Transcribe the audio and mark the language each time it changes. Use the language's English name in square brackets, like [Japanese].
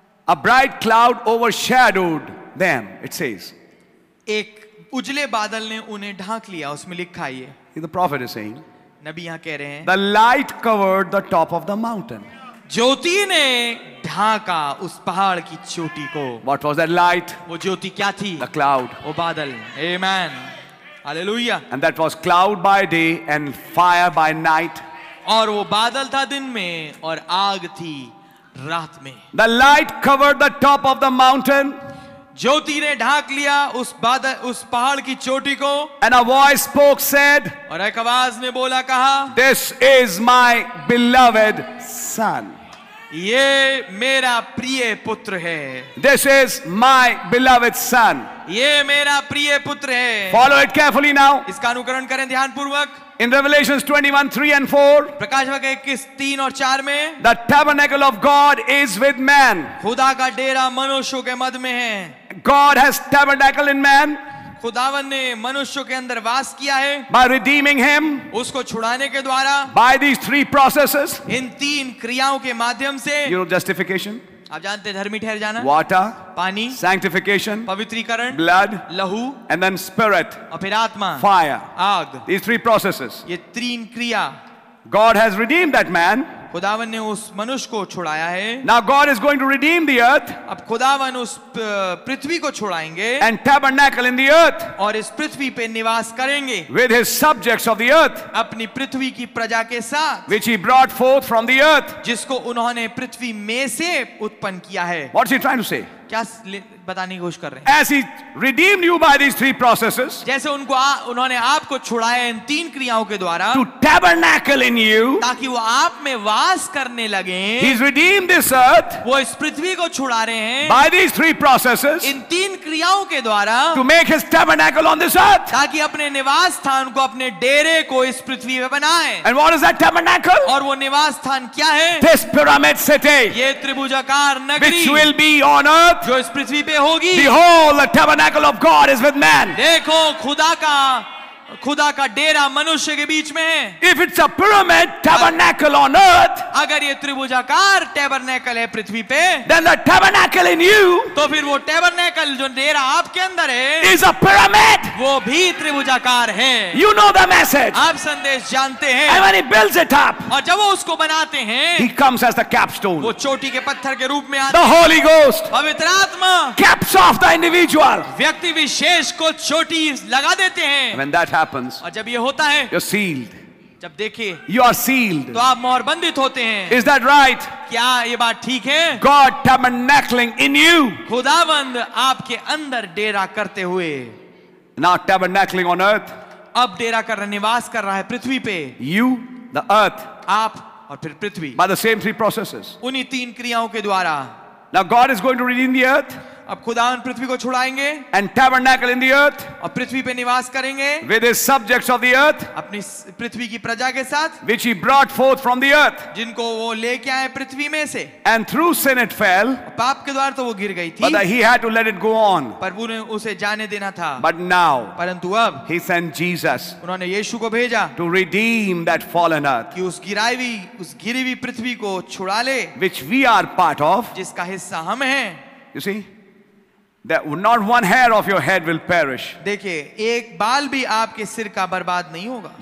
[English] A bright cloud overshadowed them, it says. [Hindi] एक उजले बादल ने उन्हें ढांक लिया, उसमें लिखा ये। [English] The prophet is saying. [Hindi] नबी यहाँ कह रहे हैं। [English] The light covered the top of the mountain. [Hindi] ज्योति ने ढांका उस पहाड़ की चोटी को। [English] What was that light? [Hindi] वो ज्योति क्या थी? [English] The cloud. [Hindi] वो बादल। Amen. Hallelujah. [English] And that was cloud by day and fire by night. [Hindi] और वो बादल था दिन में और आग थी रात में। [English] The light covered the top of the mountain. [Hindi] ज्योति ने ढांक लिया उस बादल, उस पहाड़ की चोटी को। [English] And a voice spoke said. [Hindi] और एक आवाज ने बोला, कहा, [English] This is my beloved son. [Hindi] ये मेरा प्रिय पुत्र है। [English] This is my beloved son. [Hindi] ये मेरा प्रिय पुत्र है। [English] Follow it carefully now. [Hindi] इसका अनुकरण करें ध्यान पूर्वक। [English] In Revelations 21, 3 and 4, [Hindi] प्रकाशवाक्य 21, 3 और 4 में, [English] The tabernacle of God is with man. [Hindi] खुदा का डेरा मनुष्यों के मध्य में है। [English] God has tabernacle in man. [Hindi] खुदावन ने मनुष्य के अंदर वास किया है। [English] By redeeming him, [Hindi] उसको छुड़ाने के द्वारा। [English] By these three processes, [Hindi] इन तीन क्रियाओं के माध्यम से। [English] You know justification, [Hindi] आप जानते हैं धर्मी ठहर जाना। [English] Water, [Hindi] पानी। [English] Sanctification, [Hindi] पवित्रीकरण। [English] Blood, [Hindi] लहू। [English] And then spirit, [Hindi] और फिर आत्मा। [English] Fire, [Hindi] आग। [English] These three processes, [Hindi] ये तीन क्रिया। [English] God has redeemed that man. [Hindi] खुदावन ने उस मनुष्य को छुड़ाया है। [English] Now God is going to redeem the earth. [Hindi] अब खुदावन उस पृथ्वी को छुड़ाएंगे। [English] And tabernacle in the earth. [Hindi] और इस पृथ्वी पे निवास करेंगे। [English] With his subjects of the earth. [Hindi] अपनी पृथ्वी की प्रजा के साथ। [English] Which he brought forth from the earth. [Hindi] जिसको उन्होंने पृथ्वी में से उत्पन्न किया है। [English] What is he trying to say? [Hindi] क्या बताने की कोशिश कर रहे हैं? [English] As he redeemed you by these three processes, [Hindi] जैसे उनको उन्होंने आपको छुड़ाया इन तीन क्रियाओं के द्वारा, [English] to tabernacle in you, [Hindi] ताकि वो आप में वास करने लगे, [English] he's redeemed this earth, [Hindi] वो इस पृथ्वी को छुड़ा रहे हैं, [English] by these three processes, [Hindi] इन तीन क्रियाओं के द्वारा, [English] to make his tabernacle on this earth, [Hindi] ताकि अपने निवास स्थान को, अपने डेरे को इस पृथ्वी में बनाए। [English] And what is that tabernacle? [Hindi] और वो निवास स्थान क्या है? [English] This pyramid city, [Hindi] ये त्रिभुजाकार नगरी, [English] which will be on earth, [Hindi] जो इस पृथ्वी पे होगी। [English] Behold, the tabernacle of God is with man. [Hindi] देखो खुदा का डेरा मनुष्य के बीच में है। [English] If it's a pyramid tabernacle on earth, [Hindi] अगर ये त्रिभुजाकार टैबरनेकल है पृथ्वी पे, [English] then the tabernacle in you, [Hindi] तो फिर वो टैबरनेकल जो डेरा आपके अंदर है, [English] is a pyramid, [Hindi] वो भी त्रिभुजाकार है। [English] You know the message, [Hindi] आप संदेश जानते हैं। [English] And when he builds it up, [Hindi] और जब वो उसको बनाते हैं, [English] he comes as the capstone, [Hindi] वो चोटी के पत्थर के रूप में आते हैं। [English] The Holy Ghost, [Hindi] पवित्र आत्मा, [English] caps off the individual, [Hindi] व्यक्ति विशेष को चोटी लगा देते हैं। [English] When that happens, [Hindi] और जब ये होता है, [English] you're sealed. [Hindi] जब देखिए, [English] you are sealed. [Hindi] तो आप मोहरबंदित होते हैं. [English] Is that right? [Hindi] क्या ये बात ठीक है? [English] God tabernacling in you. [Hindi] खुदावंद आपके अंदर डेरा करते हुए. [English] Now tabernacling on earth. [Hindi] अब डेरा कर रहा, निवास कर रहा है पृथ्वी पे. [English] You, the earth. [Hindi] आप और फिर पृथ्वी. [English] By the same three processes. [Hindi] उन्हीं तीन क्रियाओं के द्वारा. [English] Now God is going to redeem the earth. [Hindi] अब खुदा उन पृथ्वी को छुड़ाएंगे [English] and tabernacle in the earth [Hindi] और पृथ्वी पे निवास करेंगे [English] with his subjects of the earth [Hindi] अपनी पृथ्वी की प्रजा के साथ [English] which he brought forth from the earth [Hindi] जिनको वो लेके आए पृथ्वी में से [English] and through sin it fell [Hindi] पाप के द्वारा तो वो गिर गई थी [English] but he had to let it go on [Hindi] पर उन्हें उसे जाने देना था [English] but now [Hindi] परंतु अब [English] he sent Jesus [Hindi] उन्होंने यीशु को भेजा [English] to redeem that fallen earth [Hindi] कि उस गिरी हुई पृथ्वी को छुड़ा ले [English] which we are part of [Hindi] जिसका हिस्सा हम हैं [English] you see That not one hair of your head will perish. [Hindi] देखिए, एक बाल भी आपके सिर का बर्बाद नहीं होगा.